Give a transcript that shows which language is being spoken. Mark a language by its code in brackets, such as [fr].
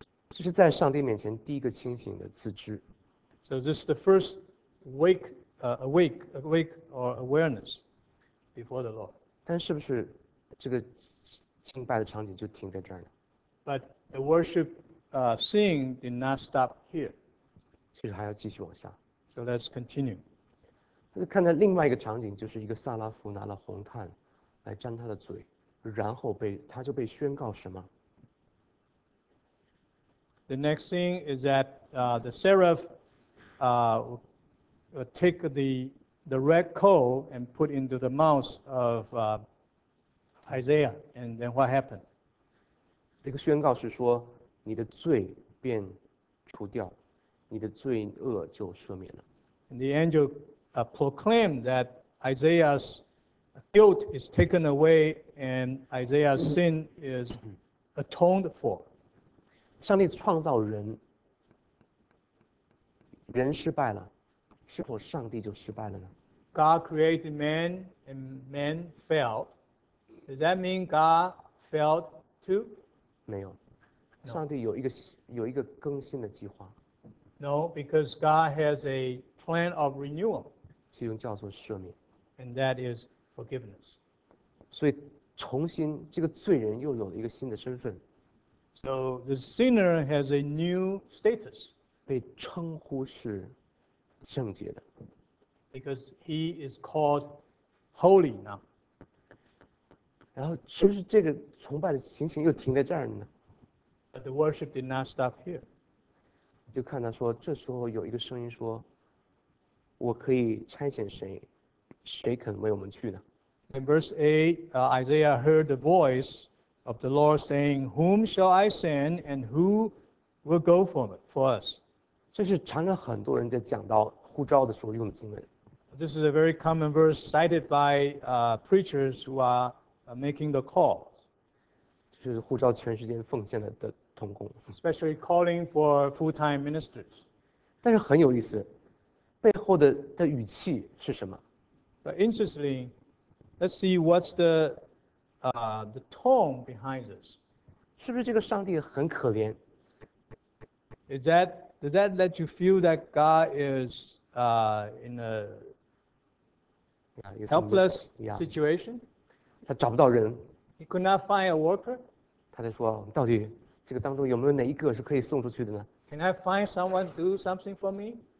[zh] 这是在上帝面前第一个清醒的自知。 [en] So this is the first awake or awareness before the Lord. [zh] 但是不是这个敬拜的场景就停在这儿呢？ [en] But the worship scene did not stop here. [zh] 其实还要继续往下。 [en] So let's continue. [zh] 他就看到另外一个场景，就是一个撒拉夫拿了红炭来沾他的嘴，然后他就被宣告什么？ [en] The next thing is that the seraph will take the red coal and put into the mouth of Isaiah, and then what happened? [zh] 这个宣告是说，你的罪便除掉，你的罪恶就赦免了。 [en] And the angel proclaimed that Isaiah's guilt is taken away and Isaiah's sin is atoned for. [zh] 上帝创造人，人失败了，是否上帝就失败了呢？ [en] God created man and man failed. Does that mean God failed too? [zh] 没有，上 [en] No. [zh] 帝有一个更新的计划。 [en] No, because God has a plan of renewal. [zh] 其中叫做赦免。 [en] And that is forgiveness. [zh] 所以重新，这个罪人又有了一个新的身份。 [en] So the sinner has a new status. [zh] 被称呼是圣洁的。 [en] Because he is called holy now. [zh] 然后，是不是这个崇拜的情形又停在这儿呢？ [en] But the worship did not stop here. [zh] 就看他说，这时候有一个声音说：“我可以差遣谁，谁肯为我们去呢？” [en] In verse 8, Isaiah heard the voice of the Lord saying, Whom shall I send and who will go for us? [zh] 这是常常很多人在讲到呼召的时候用的经文。 [en] This is a very common verse cited by preachers who are making the calls. [zh] 就是呼召全时间奉献的同工。 [en] Especially calling for full-time ministers. [zh] 但是很有意思，背后的语气是什么？ [en] But interestingly, let's see what's the tone behind this. [zh] 是不是这个上帝很可怜？ [en] Is that Does that let you feel that God is in a helpless situation? He could not find a worker. [zh] 他就说，到底这个当中有没有哪一个是可以送出去的呢？ [en] Can I find someone to do something for me?